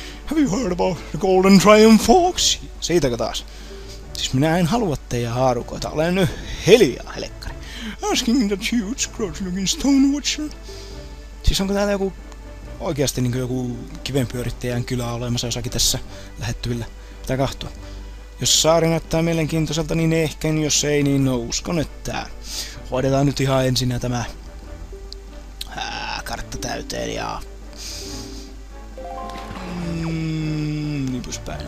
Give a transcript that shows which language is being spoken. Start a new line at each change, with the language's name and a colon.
English: Have you heard about the Golden Triumph Fox?
Finnish: Siitäkö taas? Siis minä en halua teidän haarukoita. Olen nyt hiljaa, helekkari.
English: Asking that huge, crouch-looking Stonewatcher.
Finnish: Siis onko täällä joku oikeasti niin kuin joku kivenpyörittäjän kylä olemassa jossakin tässä lähettyvillä? Pitää kahtua. Jos saari näyttää mielenkiintoiselta, niin ehkä, jos ei, niin no uskon, että hoidetaan nyt ihan ensin tämä kartta täyteen ja niin poispäin.